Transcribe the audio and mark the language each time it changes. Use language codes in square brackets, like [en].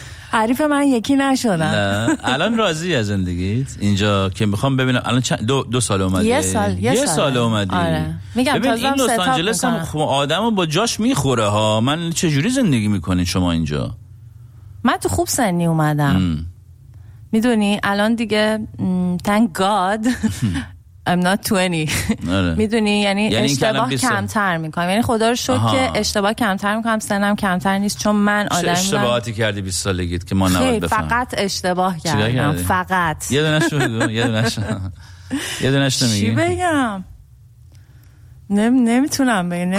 [fa] حریف من یکی نشدم. الان راضی از زندگیت اینجا که میخوام ببینم الان چند دو سال اومدی؟ یه سال اومدی. آره. میگم تازه لس آنجلس هم آدمو با جاش میخوره ها. من چه جوری زندگی میکنین شما اینجا؟ من تو خوب سنی اومدم. میدونی الان دیگه [en] thank god I'm not 20. [fa] میدونی یعنی اشتباه کمتر میکنم، یعنی خدا رو شکر که اشتباه کمتر میکنم، سنم کمتر نیست. چون من آدم چه اشتباهاتی کردی 20 سالگیت که ما نباید بفهمیم؟ فقط اشتباه کردم. فقط یه دونه شو یه دونه شو یه دونش نمیگی چی بگم؟ نمیتونم بگم